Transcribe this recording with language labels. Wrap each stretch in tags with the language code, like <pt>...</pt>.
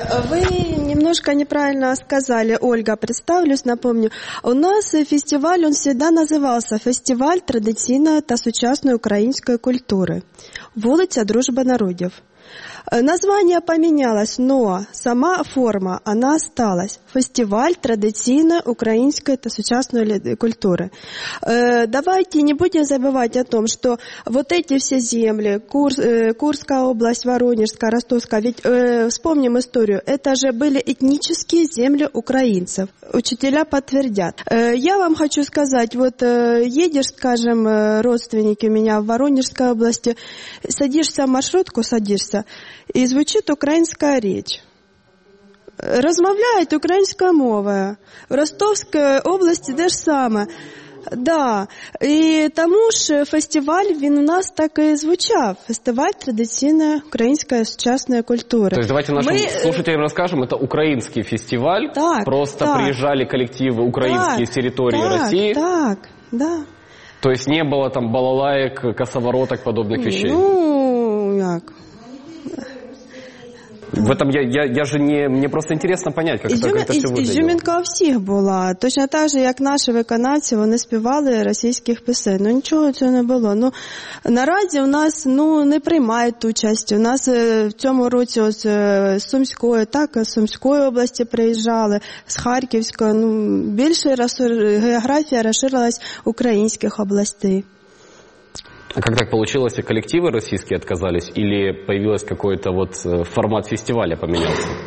<ru>Вы немножко неправильно сказали, Ольга, представлюсь, напомню. У нас фестиваль, он всегда назывался «Фестиваль традиційної та сучасної української культури. Вулиця Дружби народів». Название поменялось, но сама форма, она осталась.</ru> <uk>Фестиваль традиційної української та сучасної культури.</uk> <ru>Давайте не будем забывать о том, что вот эти все земли, Курская область, Воронежская, Ростовская, ведь вспомним историю, это же были этнические земли украинцев. Учителя подтвердят. Я вам хочу сказать, вот едешь, скажем, родственники у меня в Воронежской области, садишься в маршрутку, садишься, и звучит украинская речь. Розмовляют украинская мова. В Ростовской области те же самое.</ru> <uk>Да, и тому же фестиваль, він у нас так и звучав. Фестиваль традиційної української сучасної культури.</uk> <ru>То есть давайте нашим слушателям расскажем, это украинский фестиваль. Так, просто так. Приезжали коллективы украинские с территории России. Так, да. То есть не было там балалаек, косовороток, подобных вещей? Ну, как... В этом я же не... Мне просто интересно понять, как это все выглядело.</ru> <uk>Ізюмінка у всіх була. Точно так же, як наші виконавці, вони співали російських пісень. Ну, нічого цього не було. Ну, наразі у нас не приймають ту участь. У нас в цьому році з Сумської області приїжджали, з Харківської. Ну, більше географія розширилась українських областей.</uk> <ru>А как так получилось, и коллективы российские отказались, или появилось какой-то вот формат фестиваля поменялся?</ru>